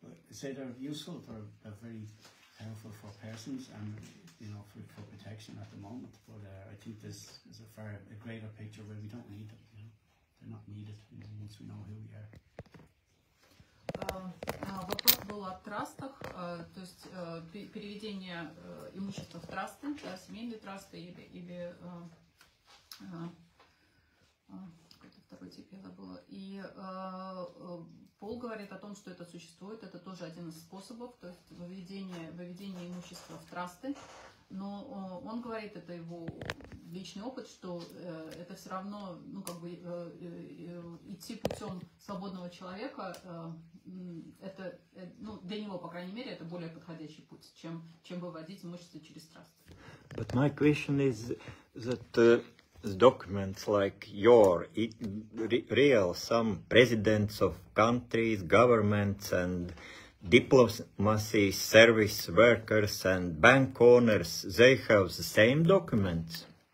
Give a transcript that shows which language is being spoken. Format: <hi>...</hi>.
<en>Say they're useful, they're very helpful for persons and, you know, for protection at the moment. But I think this is a greater picture where we don't need them, you know. They're not needed, you know, once we know who we are.</en> <ru>Вопрос был о трастах, то есть переведение имущества в трасты, да, семейные трасты или какой-то второй тип я забыла. Пол говорит о том, что это существует, это тоже один из способов, то есть выведение имущества в трасты. Но он говорит, это его личный опыт, что это все равно, ну как бы идти путем свободного человека, это ну, для него, по крайней мере, это более подходящий путь, чем выводить имущество через трасты.</ru> <en>But my question is that documents like your real, some presidents of countries, governments and diplomacy service workers and bank owners, they have the same documents.</en>